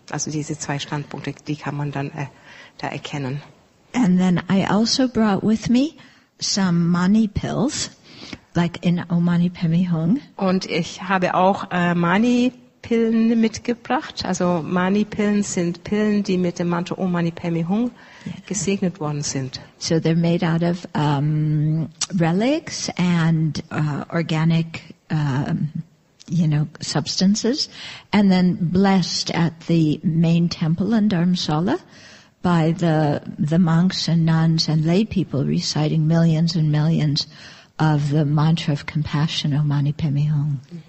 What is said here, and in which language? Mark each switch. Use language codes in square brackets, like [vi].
[de] Also diese zwei Standpunkte, die kann man dann da erkennen. [en] And then I also brought with me some mani pills, like in Om Mani Padme Hum. [de] Und ich habe auch mani Pillen mitgebracht. Also Mani-Pillen sind Pillen, die mit dem Mantra Om Mani Padme Hum gesegnet worden sind. [en] So they're made out of relics and organic, you know, substances, and then blessed at the main temple in Dharamsala by the monks and nuns and lay people reciting millions and millions of the mantra of compassion Om Mani Padme Hum.